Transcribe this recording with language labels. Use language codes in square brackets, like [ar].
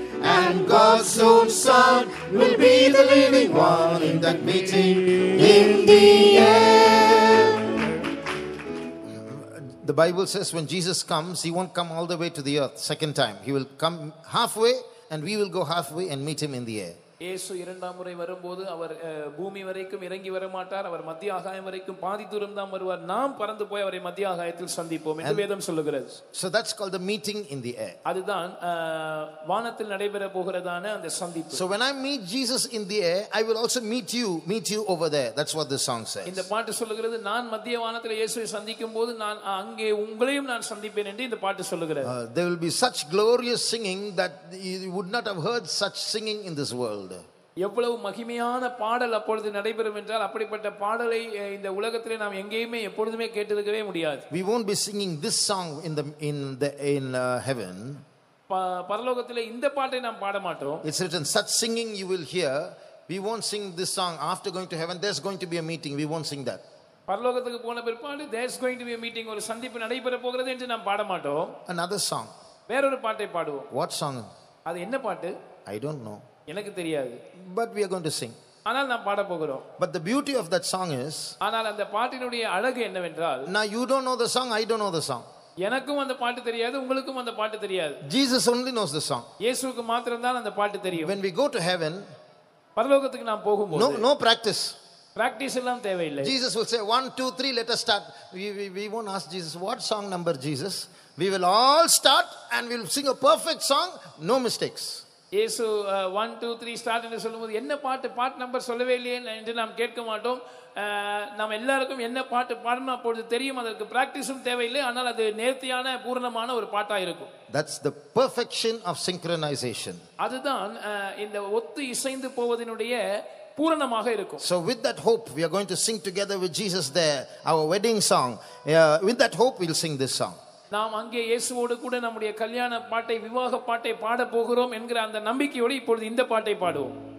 [en] And God's own Son will be the leading one in that meeting in the air. The Bible says when Jesus comes, he won't come all the way to the earth second time. He will come halfway and we will go halfway and meet him in the air. [ta] இயேசு இரண்டாம் முறை வரும்போது அவர் பூமி வரைக்கும் இறங்கி வரமாட்டார். அவர் மத்திய ஆகாயம் வரைக்கும் பாதி தூரம் தான் வருவார். நாம் பறந்து போய் அவரை மத்திய ஆகாயத்தில் சந்திப்போம் என்று வேதம் சொல்லுகிறது. [en] So that's called the meeting in the air. [ta] அதுதான் வானத்தில் நடைபெற போகிறதான அந்த சந்திப்பு. [en] So when I meet Jesus in the air, I will also meet you over there. That's what the song says. [ta] இந்த பாட்டு சொல்லுகிறது, நான் மத்திய வானத்தில் இயேசுவை சந்திக்கும் போது நான் அங்கே உங்களையும் நான் சந்திப்பேன் என்று இந்த பாட்டு சொல்லுகிறது. [en] There will be such glorious singing that you would not have heard such singing in this world. [ta] எவ்வளவு மகிமையான பாடல் அப்பொழுது நடைபெறும் என்றால், அப்படிப்பட்ட பாடலை இந்த உலகத்திலே நாம் எங்கேயுமே எப்பொழுதுமே கேட்டிருக்கவே முடியாது. [en] We won't be singing this song in heaven. [ta] பரலோகத்திலே இந்த பாட்டை நாம் பாட மாட்டோம். [en] It's written, such singing you will hear. We won't sing this song after going to heaven. There's going to be a meeting. We won't sing that. [ta] பரலோகத்துக்கு போன பிற்பாடு [en] there's going to be a meeting, [ta] ஒரு சந்திப்பு நடைபெற போகிறது என்று நாம் பாட மாட்டோம். [en] Another song. [ta] வேறொரு பாட்டை பாடுவோம். [en] What song? [ta] அது என்ன பாட்டு? [en] I don't know. [ta] எனக்கு தெரியாது. [en] But we are going to sing. [ta] ஆனால் நாம் பாட போகிறோம். [en] But the beauty of that song is, [ta] ஆனால் அந்த பாட்டினுடைய அழகு என்னவென்றால், [en] Now you don't know the song, I don't know the song. [ta] எனக்கும் அந்த பாட்டு தெரியாது, உங்களுக்கும் அந்த பாட்டு தெரியாது. [en] Jesus only knows the song. [ta] இயேசுவுக்கு மட்டும் தான் அந்த பாட்டு தெரியும். [en] When we go to heaven, [ta] பரலோகத்துக்கு நாம் போகும்போது, [en] no practice. [ta] Practice எல்லாம் தேவையில்லை. [en] Jesus will say 1 2 3 let us start. We won't ask Jesus what song number Jesus. We will all start and we'll sing a perfect song, no mistakes. [ta] இயேசு 1 2 3 start என்று சொல்லும்போது என்ன பாட்டு பாட்டு நம்பர் சொல்லவே இல்லையே என்று நாம் கேட்க மாட்டோம். நாம் எல்லாருக்கும் என்ன பாட்டு பாடணும் அப்பொழுது தெரியும். அதற்கு பிராக்டிஸும் தேவையில்லை, ஆனால் அது நேர்த்தியான பூர்ணமான ஒரு பாட்டாக இருக்கும். [en] That's the perfection of synchronization. [ta] அதுதான் இந்த ஒத்து இசைந்து போவதனுடைய பூரணமாக இருக்கும். [en] So with that hope we are going to sing together with Jesus there our wedding song. With that hope we'll sing this song. [ta] நாம் அங்கே இயேசுவோடு கூட நம்முடைய கல்யாண பாட்டை விவாக பாட்டை பாட போகிறோம் என்கிற அந்த நம்பிக்கையோடு இப்பொழுது இந்த பாட்டை பாடுவோம்.